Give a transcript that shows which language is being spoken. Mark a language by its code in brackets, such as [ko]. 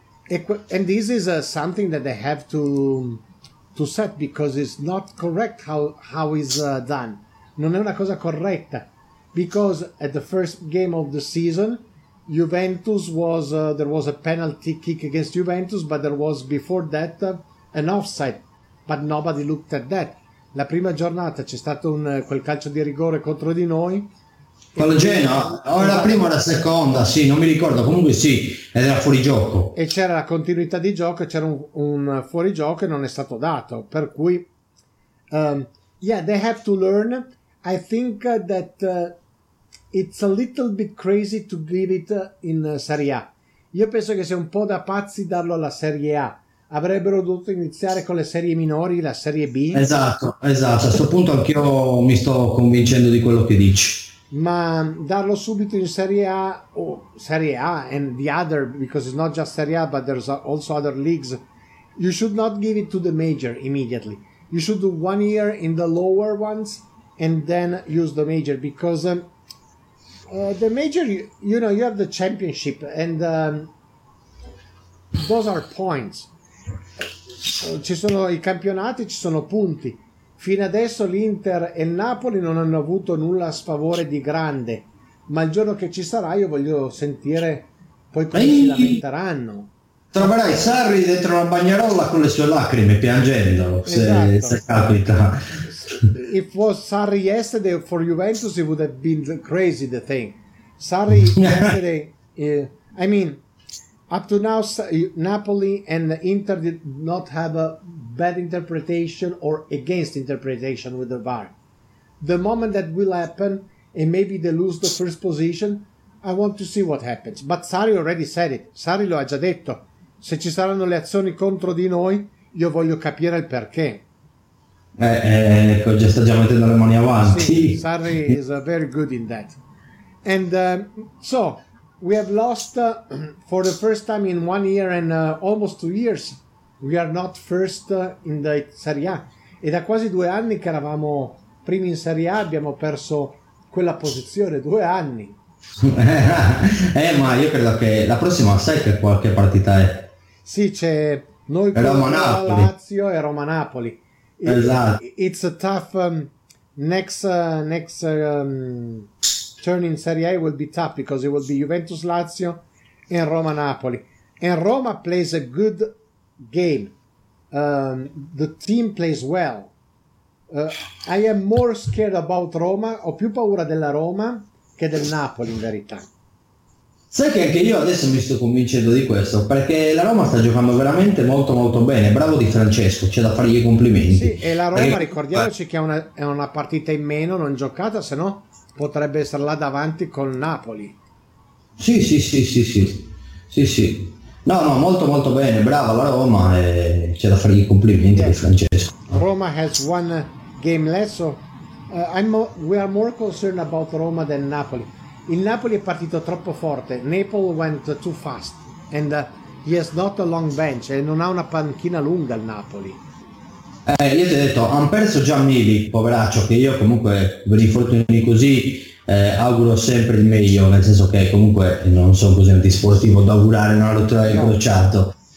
[en] And this is something that they have to set, because it's not correct how it's done. [it] Non è una cosa corretta, [en] because at the first game of the season, Juventus was there was a penalty kick against Juventus, but there was before that an offside, but nobody looked at that. [it] La prima giornata c'è stato quel calcio di rigore contro di noi. Quello Genoa, o la prima o la seconda, sì, non mi ricordo, comunque sì, ed era fuori gioco. E c'era la continuità di gioco, c'era un fuori gioco e non è stato dato, per cui [en] yeah, they have to learn. I think that it's a little bit crazy to give it in Serie A. [it] Io penso che sia un po' da pazzi darlo alla Serie A. Avrebbero dovuto iniziare con le serie minori, la Serie B. Esatto, esatto. A questo punto anch'io mi sto convincendo di quello che dici. Ma darlo subito in Serie A, [en] o Serie A and the other, because it's not just Serie A, but there's also other leagues. You should not give it to the major immediately. You should do 1 year in the lower ones and then use the major, because the major, you know, you have the championship, and those are points. [it] Ci sono i campionati, ci sono punti. Fino adesso l'Inter e il Napoli non hanno avuto nulla a sfavore di grande, ma il giorno che ci sarà io voglio sentire poi come si lamenteranno. Troverai Sarri dentro una bagnarola con le sue lacrime, piangendo, se capita. [en] If it was Sarri yesterday for Juventus, it would have been crazy, the thing. Sarri yesterday, I mean, up to now, Napoli and Inter did not have a bad interpretation or against interpretation with the VAR. The moment that will happen, and maybe they lose the first position, I want to see what happens. But Sarri already said it. [it] Sarri lo ha già detto. Se ci saranno le azioni contro di noi, io voglio capire il perché. Ecco, già sta già mettendo le mani avanti. [en] Sì, Sarri is very good in that. And so we have lost for the first time in 1 year and almost 2 years we are not first in the Serie A. [it] E da quasi 2 anni che eravamo primi in Serie A abbiamo perso quella posizione. 2 anni. ma io credo che la prossima, sai che qualche partita è? Sì, c'è Noi Roma Napoli. Lazio e Roma Napoli. Esatto. [en] It's a tough next turn in Serie A will be tough because it will be Juventus Lazio and Roma Napoli. And Roma plays a good game. The team plays well. I am more scared about Roma. [it] Ho più paura della Roma che del Napoli, in verità. Sai che anche io adesso mi sto convincendo di questo, perché la Roma sta giocando veramente molto molto bene. Bravo Di Francesco, c'è da fargli i complimenti. Sì, e la Roma, ricordiamoci che è una partita in meno, non giocata, se no potrebbe essere là davanti con Napoli. Sì. No, molto molto bene, bravo la Roma, c'è da fargli i complimenti, yeah. Di Francesco. [en] Roma has one game less, so we are more concerned about Roma than Napoli. [it] Il Napoli è partito troppo forte, [en] Naples went too fast, and he has not a long bench, [it] e non ha una panchina lunga il Napoli. Io ti ho detto, hanno perso già Milik, poveraccio, che io comunque per infortuni così auguro sempre il meglio, nel senso che comunque non sono così antisportivo da augurare una rottura del crociato.